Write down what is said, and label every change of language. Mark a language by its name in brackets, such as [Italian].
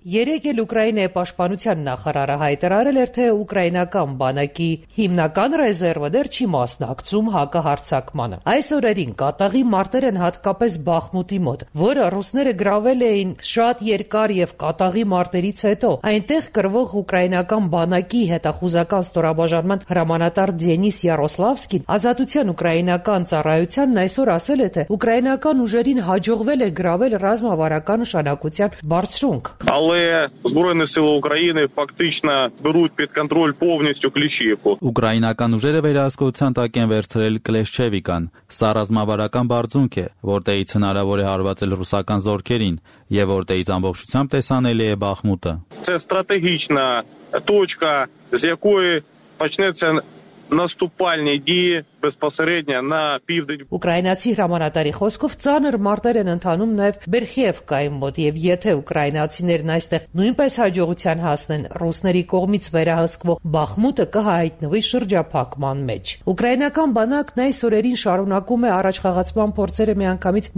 [Armenian] Երեկ էլ Ուկրաինայի պաշտպանության նախարարը հայտարարել էր, թե ուկրաինական բանակի հիմնական ռեզերվը չի մասնակցում հակահարձակմանը։ Այս օրերին կատաղի մարտեր են հատկապես Բախմուտի մոտ, որը ռուսները գրավել էին շատ երկար եւ կատաղի մարտերից հետո։ Այնտեղ կրվող ուկրաինական բանակի հետախուզական ստորաբաժանման հրամանատար Դենիս Յարոսլավսկին ազատության ուկրաինական ծառայությանն այսօր ասել է, թե ուկրաինական ուժերին հաջողվել է գրավել ռազմավարական նշանակության բարձրունք։ [Ukrainian] Але збройні сили України фактично беруть під контроль повністю Клічівку։ [Armenian] Ուկրաինական ուժերը վերահսկողության նպատակ են վերցրել Կլեշչևիկան, սա ռազմավարական բարձունք է, որտեղից հնարավոր է հարվածել ռուսական զորքերին և որտեղից ամբողջությամբ տեսանելի է Բախմուտը։ [Ukrainian] Це стратегічна точка, з якої почнеться наступальні дії безпосередньо на південь. [Armenian] Ուկրաինացի հրամանատարի խոսքով ծանր մարտեր են ընթանում նաև Բերխիևկայի մոտ, եւ եթե ուկրաինացիներն այստեղ նույնպես հաջողության հասնեն, ռուսների կողմից վերահսկվող Բախմուտը կհայտնվի շրջափակման մեջ։ Ուկրաինական բանակն այս օրերին շարունակում է առաջխաղացման փորձերը միանգամից